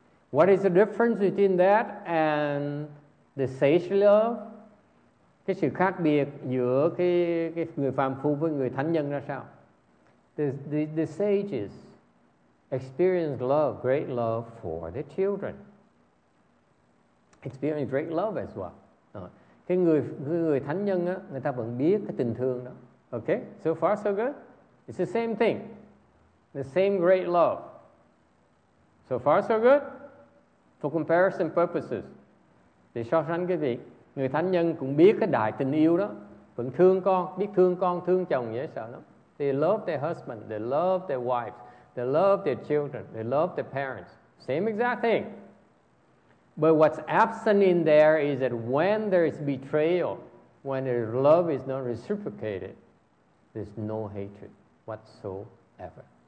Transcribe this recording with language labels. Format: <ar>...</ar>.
<en>What is the difference between that and the sage love?</en> <vi>Cái sự khác biệt giữa cái người phàm phu với người thánh nhân ra sao?</vi> <en>The sages experience love, great love for their children. Experience great love as well.</en> <vi>Cái người thánh nhân á, người ta vẫn biết cái tình thương đó.</vi> <en>Okay, so far so good. It's the same thing, the same great love. So far so good. For comparison purposes,</en> <vi>để so sánh cái việc người thánh nhân cũng biết cái đại tình yêu đó, vẫn thương con, biết thương con, thương chồng dễ sợ lắm.</vi> <en>They love their husband, they love their wives. They love their children. They love their parents. Same exact thing. But what's absent in there is that when there is betrayal, when their love is not reciprocated, there's no hatred whatsoever.</en>